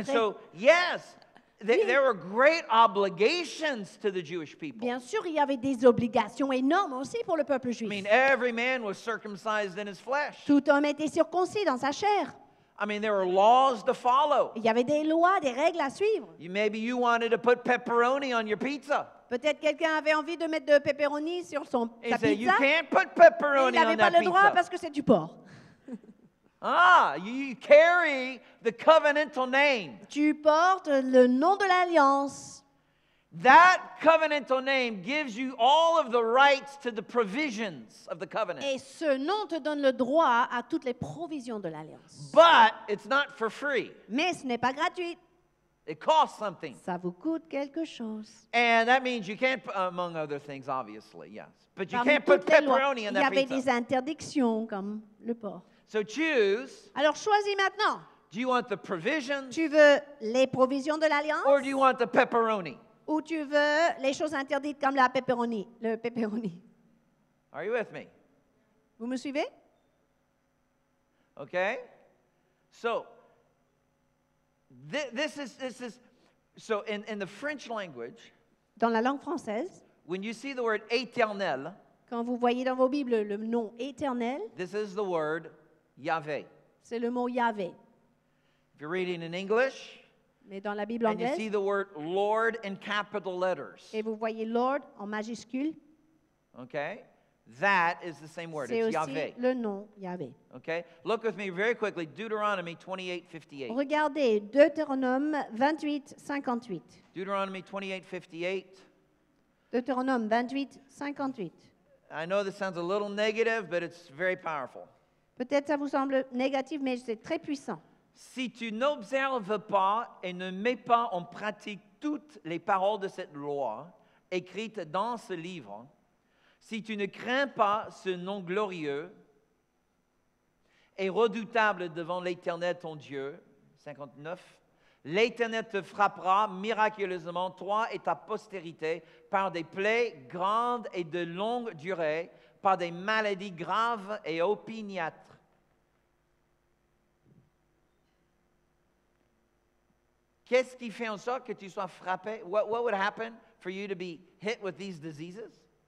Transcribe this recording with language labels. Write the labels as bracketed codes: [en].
[en] And so, yes, there were great obligations to the Jewish people. [fr] Bien sûr, il y avait des obligations énormes aussi pour le peuple juif. [en] I mean, every man was circumcised in his flesh. [fr] Tout homme était circoncis dans sa chair. [en] I mean, there were laws to follow. [fr] Il y avait des lois, des règles à suivre. [en] Maybe you wanted to put pepperoni on your pizza. [fr] Peut-être quelqu'un avait envie de mettre de pepperoni sur son sa pizza. [en] You can't put pepperoni on that pizza. [fr] Il n'avait pas le droit parce que c'est du porc. [en] Ah, you carry the covenantal name. [fr] Tu portes le nom de l'alliance. [en] That covenantal name gives you all of the rights to the provisions of the covenant. [fr] Et ce nom te donne le droit à toutes les provisions de l'alliance. [en] But it's not for free. [fr] Mais ce n'est pas gratuit. [en] It costs something. [fr] Ça vous coûte quelque chose. [en] And that means you can't, among other things, obviously, yes. But you can't put pepperoni on that pizza. [fr] Il y avait des interdictions comme le porc. [en] So choose. [fr] Alors choisis maintenant. [en] Do you want the provisions? [fr] Tu veux les provisions de l'alliance? [en] Or do you want the pepperoni? [fr] Ou tu veux les choses interdites comme la pepperoni, le pepperoni? [en] Are you with me? [fr] Vous me suivez? [en] Okay. So this is so in the French language. [fr] Dans la langue française. [en] When you see the word éternel. [fr] Quand vous voyez dans vos bibles le nom éternel. [en] This is the word Yahweh. [fr] C'est le mot Yahweh. [en] If you're reading in English, [fr] mais dans la Bible anglaise, [en] and you see the word Lord in capital letters, [fr] et vous voyez Lord en majuscule, [en] okay, that is the same word. [fr] C'est [en] it's [fr] aussi Yahweh. Le nom Yahweh. [en] Okay, look with me very quickly, Deuteronomy 28:58. [fr] Regardez Deuteronome 28:58. [en] Deuteronomy 28:58. [fr] Deuteronome 28:58. [en] I know this sounds a little negative, but it's very powerful. [fr] Peut-être ça vous semble négatif, mais c'est très puissant. Si tu n'observes pas et ne mets pas en pratique toutes les paroles de cette loi écrites dans ce livre, si tu ne crains pas ce nom glorieux et redoutable devant l'Éternel ton Dieu, 59, l'Éternel te frappera miraculeusement, toi et ta postérité, par des plaies grandes et de longue durée, par des maladies graves et opiniâtres. Qu'est-ce qui fait en sorte que tu sois frappé? [en] What would happen for you to be hit with these diseases?